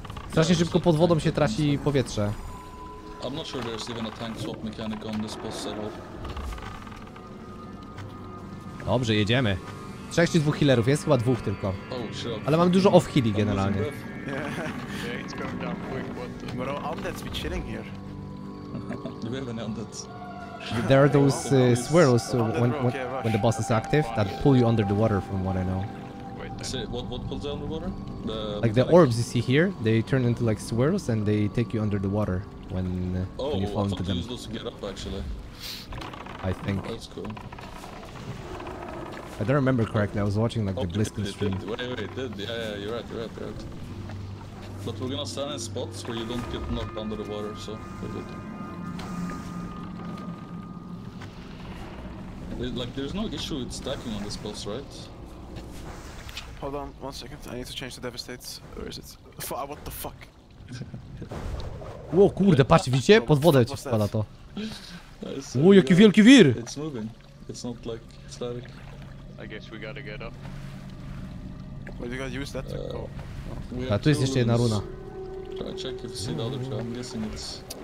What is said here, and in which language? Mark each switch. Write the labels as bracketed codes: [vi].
[pl] Strasznie szybko pod wodą się traci powietrze. [en] I'm not sure there's even a tank swap mechanic on this boss at all. [pl] Dobrze, jedziemy. Trzech czy dwóch healerów, jest chyba dwóch tylko. Ale mam dużo off healing generalnie. [en] Yeah, it's going down quick, but... Bro, undeads be chilling here. Do we have any undeads? There are those swirls when the boss is active that pull you under the water, from what I know. What pulls you under the water? The orbs you see here, they turn into like swirls and they take you under the water when you fall into them. Oh, I thought you were supposed to get up actually. I think. That's cool. I don't remember correctly, I was watching like the Blizzcon stream. Wait, you're right. But we're gonna stand in spots where you don't get knocked under the water, so we're good. Like, there's no issue with stacking on this boss, right? Hold on, 1 second, I need to change the devastates. Where is it? What the fuck? [pl] Ło kurde, patrzcie, widzicie? Pod wodę ci spada to. Ło, jaki wielki wir! [en] It's moving. It's not like static. I guess we gotta get up. Wait, you gotta use that? [pl] A tu jest jeszcze jedna runa. [en] Try check if you see the other two, I'm guessing it's...